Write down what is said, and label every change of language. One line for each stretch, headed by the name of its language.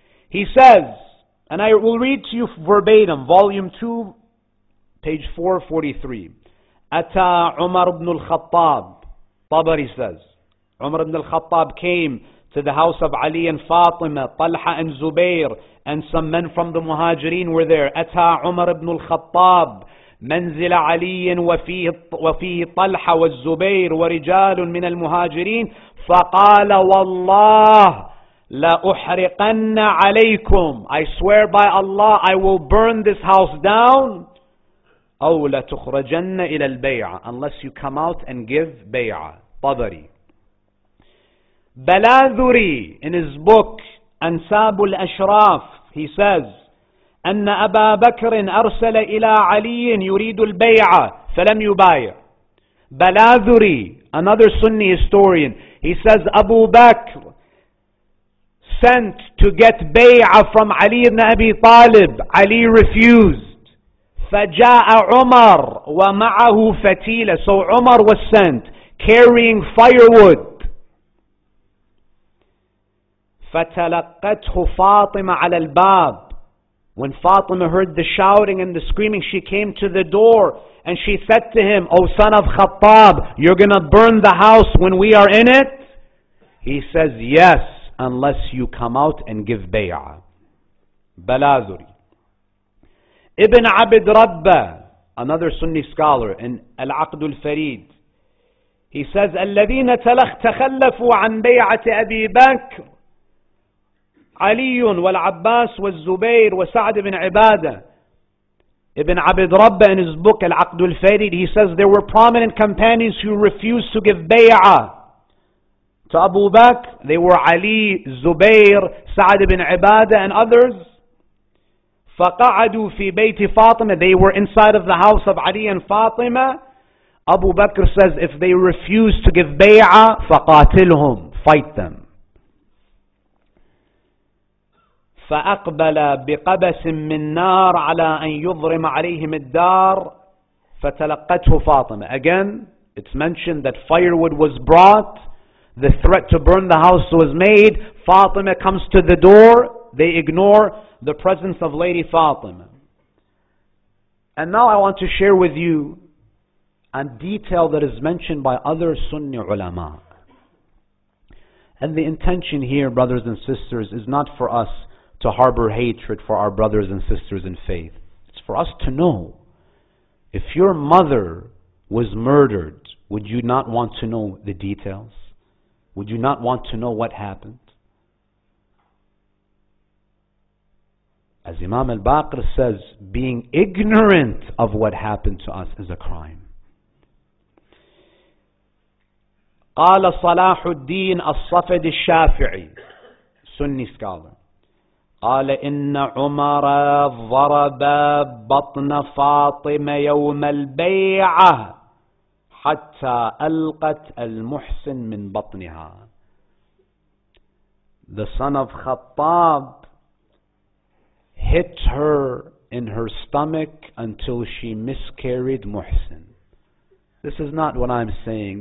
English: He says, and I will read to you verbatim, volume 2, page 443. Ata Umar ibn al-Khattab, Tabari says, Umar ibn al-Khattab came to the house of Ali and Fatima, Talha and Zubair, and some men from the Muhajirin were there.
Arabic: Ata Umar ibn al-Khattab, منزل علي وفيه طلحة والزبير ورجال من المهاجرين فقال والله لا أحرقن عليكم.
English: I swear by Allah I will burn this house down
Arabic: أو لا تخرجن إلى البيعة,
English: unless you come out and give بيعة.
Arabic: طبري. بلاذري
English: in his book
Arabic: أنساب الأشراف
English: he says
Arabic: أن أبا بكر أرسل إلى علي يريد البيعة فلم يبايع.
English: بلاذري, another Sunni historian, he says Abu Bakr sent to get بيعة from علي بن أبي طالب. علي refused.
Arabic: فجاء عمر ومعه فتيلة.
English: So عمر was sent carrying firewood.
Arabic: فتلقته فاطمة على الباب.
English: When Fatima heard the shouting and the screaming, she came to the door and she said to him, O son of Khattab, you're going to burn the house when we are in it? He says, yes, unless you come out and give bay'ah. Balazuri. Ibn Abd Rabba, another Sunni scholar in Al-Aqd Al-Farid, he says,
Arabic: الَّذِينَ تَخَلَّفُوا عَنْ بَيْعَةِ أَبِي بَكْرٍ علي والعباس والزبير وسعد بن عبادة.
English: Ibn Abd Rabba in his book Al-Aqd Al-Farid, he says there were prominent companions who refused to give bay'ah to Abu Bakr. They were Ali, Zubair, Sa'd ibn Ibada and others.
Arabic: فَقَعَدُوا فِي بَيْتِ فَاطِمَة.
English: They were inside of the house of Ali and Fatima. Abu Bakr says if they refuse to give bay'ah,
Arabic: فَقَاتِلْهُمْ,
English: fight them.
Arabic: فأقبل بقبس من نار على أن يضرم عليهم الدار فتلقته فاطمة.
English: Again, it's mentioned that firewood was brought, the threat to burn the house was made, Fatima comes to the door, they ignore the presence of Lady Fatima. And now I want to share with you a detail that is mentioned by other Sunni ulama. And the intention here, brothers and sisters, is not for us to harbor hatred for our brothers and sisters in faith. It's for us to know. If your mother was murdered, would you not want to know the details? Would you not want to know what happened? As Imam al-Baqir says, being ignorant of what happened to us is a crime.
Arabic: قال صلاح الدين الصفدي الشافعي,
English: Sunni scholar.
Arabic: قال إن عمر ضرب بطن فاطمة يوم البيعة حتى ألقت المحسن من بطنها.
English: The son of Khattab hit her in her stomach until she miscarried Muhsin. This is not what I'm saying.